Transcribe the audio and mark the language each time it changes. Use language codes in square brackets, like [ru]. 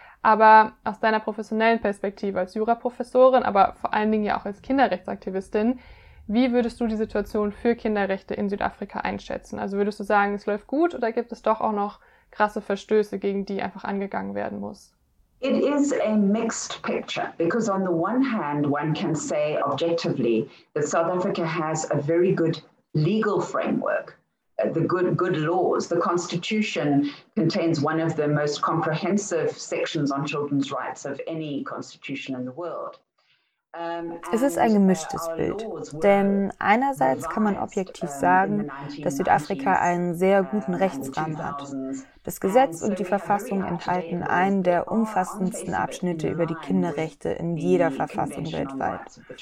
[de] Aber aus deiner professionellen Perspektive als Juraprofessorin, aber vor allen Dingen ja auch als Kinderrechtsaktivistin, wie würdest du die Situation für Kinderrechte in Südafrika einschätzen? Also würdest du sagen, es läuft gut oder gibt es doch auch noch krasse Verstöße, gegen die einfach angegangen werden muss? [en] It is a mixed picture, because on the one hand, one can say objectively that South Africa has a very good legal framework, the good laws. The Constitution contains one of the most comprehensive sections on children's rights of any constitution in the world. [de] Es ist ein gemischtes Bild, denn einerseits kann man objektiv sagen, dass Südafrika einen sehr guten Rechtsrahmen hat. Das Gesetz und die Verfassung enthalten einen der umfassendsten Abschnitte über die Kinderrechte in jeder Verfassung weltweit.